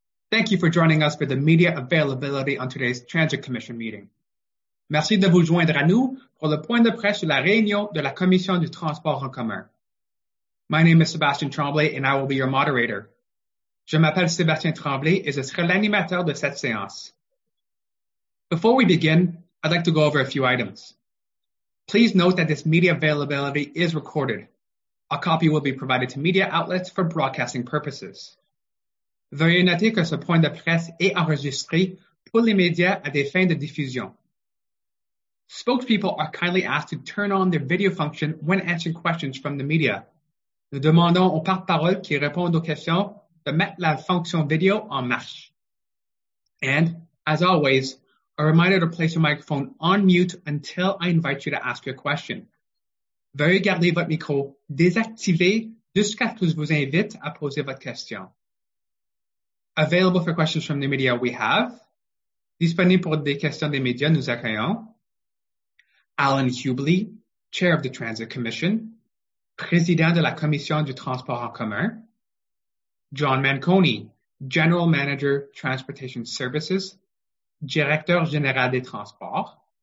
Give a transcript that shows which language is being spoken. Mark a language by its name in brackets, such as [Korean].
[English] Thank you for joining us for the media availability on today's Transit Commission meeting. [French] Merci de vous joindre à nous pour le point de presse de la réunion de la Commission du Transport en commun. [English] My name is Sébastien Tremblay and I will be your moderator. [French] Je m'appelle Sébastien Tremblay et je serai l'animateur de cette séance. [English] Before we begin, I'd like to go over a few items. Please note that this media availability is recorded. A copy will be provided to media outlets for broadcasting purposes. [French] Veuillez noter que ce point de presse est enregistré pour les médias à des fins de diffusion. [English] Spokespeople are kindly asked to turn on their video function when answering questions from the media. [French] Nous demandons aux porte-paroles qui répondent aux questions de mettre la fonction vidéo en marche. [English] And, as always, a reminder to place your microphone on mute until I invite you to ask your question. [French] Veuillez garder votre micro désactivé jusqu'à ce que je vous invite à poser votre question. [English] Available for questions from the media, we have. [French] Disponible pour des questions des médias, nous accueillons. [English] Alan Hubley, Chair of the Transit Commission, [French] Président de la Commission du Transport en commun. [English] John Manconi, General Manager, Transportation Services, [French] Directeur Général des Transports.